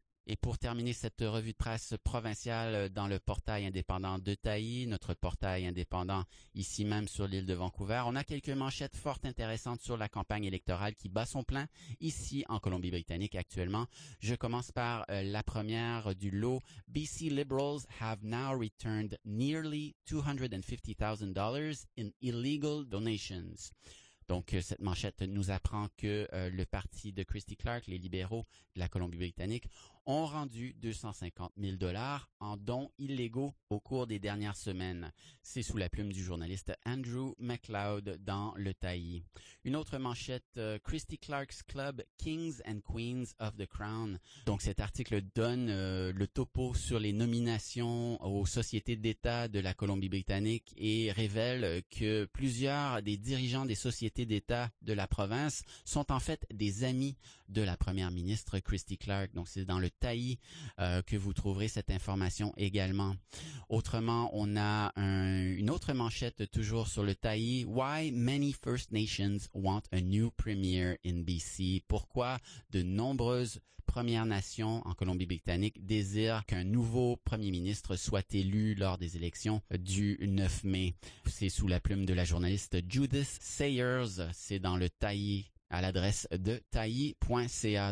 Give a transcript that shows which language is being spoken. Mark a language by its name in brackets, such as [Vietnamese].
[French] Et pour terminer cette revue de presse provinciale dans le portail indépendant de Taï, notre portail indépendant ici même sur l'île de Vancouver, on a quelques manchettes fort intéressantes sur la campagne électorale qui bat son plein ici en Colombie-Britannique actuellement. Je commence par la première du lot. [English] BC Liberals have now returned nearly $250,000 in illegal donations. [French] Donc, cette manchette nous apprend que le parti de Christy Clark, les libéraux de la Colombie-Britannique, ont rendu $250,000 en dons illégaux au cours des dernières semaines. C'est sous la plume du journaliste Andrew McLeod dans le Taï. Une autre manchette, [English] Christy Clark's Club, Kings and Queens of the Crown. [French] Donc, cet article donne le topo sur les nominations aux sociétés d'État de la Colombie-Britannique et révèle que plusieurs des dirigeants des sociétés d'État de la province sont en fait des amis de la première ministre Christy Clark. Donc, c'est dans le Taï que vous trouverez cette information également. Autrement, on a une autre manchette toujours sur le Taï. [English] Why many First Nations want a new premier in BC? [French] Pourquoi de nombreuses Premières Nations en Colombie-Britannique désirent qu'un nouveau premier ministre soit élu lors des élections du 9 mai? C'est sous la plume de la journaliste Judith Sayers. C'est dans le Taï, à l'adresse de taï.ca.